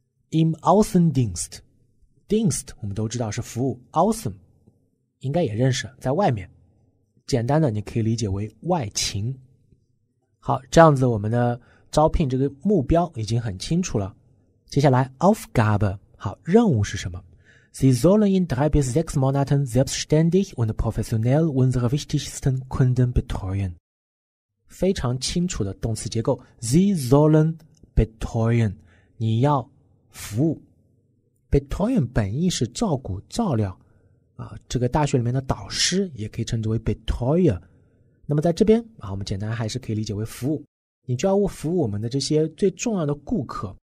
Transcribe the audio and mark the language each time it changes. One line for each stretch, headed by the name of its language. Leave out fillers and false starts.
Chinese: im Außendienst， Dienst 我们都知道是服务， Außen 应该也认识，在外面，简单的你可以理解为外勤。好，这样子我们的招聘这个目标已经很清楚了。接下来 Aufgabe， 好，任务是什么？
German: Sie sollen in 3-6 Monaten selbstständig und professionell unsere wichtigsten Kunden betreuen。
Chinese: 非常清楚的动词结构，
German: Sie sollen betreuen，
Chinese: 你要服务。 Betreuen 本意是照顾照料、啊、这个大学里面的导师也可以称之为 betreuer。那么在这边啊，我们简单还是可以理解为服务，你就要服务我们的这些最重要的顾客。